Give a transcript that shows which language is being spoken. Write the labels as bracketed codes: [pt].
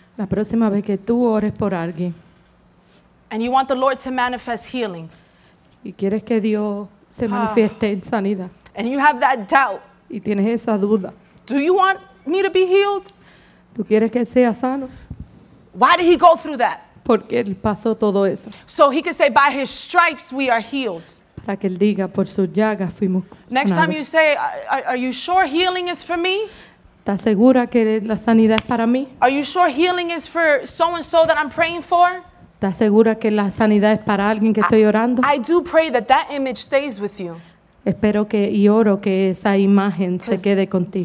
[es] la próxima vez que tú ores por alguien, [en] and you want the Lord to manifest healing, [es] y quieres que Dios se manifieste en sanidad, [en] and you have that doubt, [es] y tienes esa duda, [en] do you want me to be healed? [es] ¿Tú quieres que sea sano? [en] Why did he go through that? [es] Porque él pasó todo eso. [en] So he could say, by his stripes we are healed. [es] Para que él diga, por sus llagas fuimos sanados. [en] Next time you say, are you sure healing is for me? [es] ¿Estás segura que la sanidad es para mí? [en] Are you sure healing is for so and so that I'm praying for? [es] ¿Estás segura que la sanidad es para alguien que estoy orando? [en] I do pray that that image stays with you. [es] Espero que y oro que esa imagen se quede contigo.